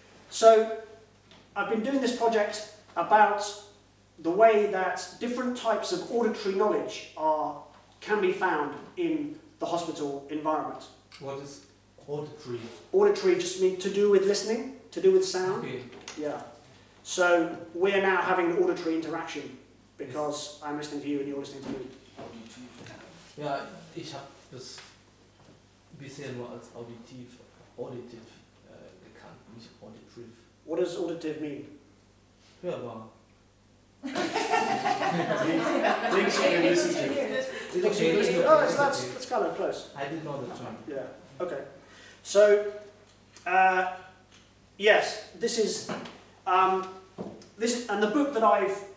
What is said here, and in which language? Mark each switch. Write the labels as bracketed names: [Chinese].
[English] So I've been doing this project about the way that different types of auditory knowledge can be found in the hospital environment. What is auditory? Auditory just means to do with listening, to do with sound. Okay. Yeah. So we're now having an auditory interaction because I'm listening to you and you're listening to me. [German] Ja, ich habe das bisher nur als auditiv, auditive gekannt, nicht auditive. [English] What does auditive mean? [German] Hörbar. [English] Things you can listen to. That's kind of close. I didn't know that term. Yeah. Okay. So, yes, this is, and the book that I've